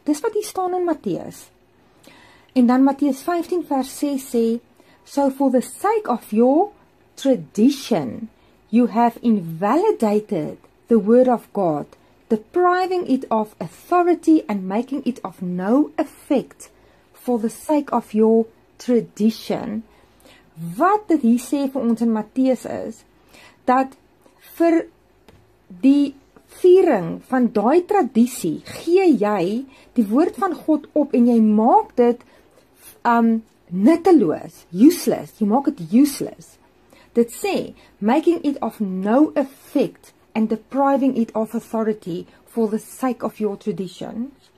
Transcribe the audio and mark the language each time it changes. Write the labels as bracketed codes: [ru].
[af] Dis wat hier staan in Matteus. En dan Matteus 15 vers 6 sê, [en] "So for the sake of your tradition, you have invalidated the word of God, depriving it of authority and making it of no effect for the sake of your tradition." [af] Wat dit hier sê vir ons in Matteus is, dat vir die viering van daai tradisie gee jy die woord van God op en jy maak dit nutteloos, useless, jy maak dit useless. Dit sê, [en] "making it of no effect and depriving it of authority for the sake of your tradition."